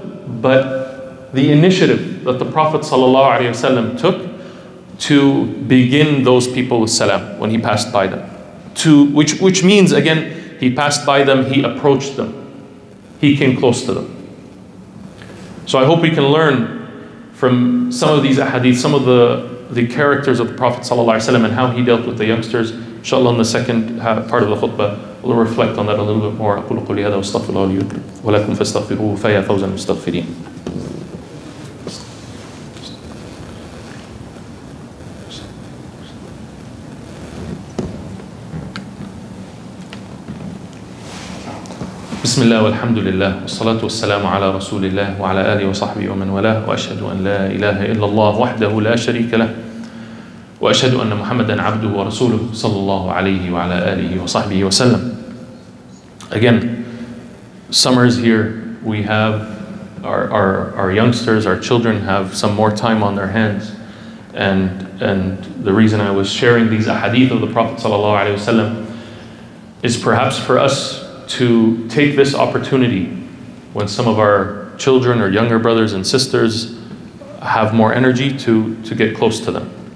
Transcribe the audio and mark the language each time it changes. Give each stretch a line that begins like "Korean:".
English: But the initiative that the Prophet ﷺ took to begin those people with salam when he passed by them, which means, again, he passed by them, he approached them, he came close to them. So I hope we can learn from some of these ahadith, some of the characters of the Prophet ﷺ and how he dealt with the youngsters. Inshallah, in the second part of the khutbah, we'll reflect on that a little bit more.
Arabic: أقول قولي هذا واستغفر الله لي ولكم فاستغفروه فيا فوز المستغفرين. بسم الله والحمد لله والصلاة والسلام على رسول الله وعلى آله وصحبه ومن والاه, وأشهد أن لا إله إلا الله وحده لا شريك له, وأشهد أن محمدًا عبده ورسوله صلى الله عليه وعلى آله وصحبه وسلم.
English: Again, summer is here. We have our youngsters, our children have some more time on their hands, and the reason I was sharing these ahadith of the Prophet sallallahu alaihi wasallam is perhaps for us to take this opportunity when some of our children or younger brothers and sisters have more energy to get close to them.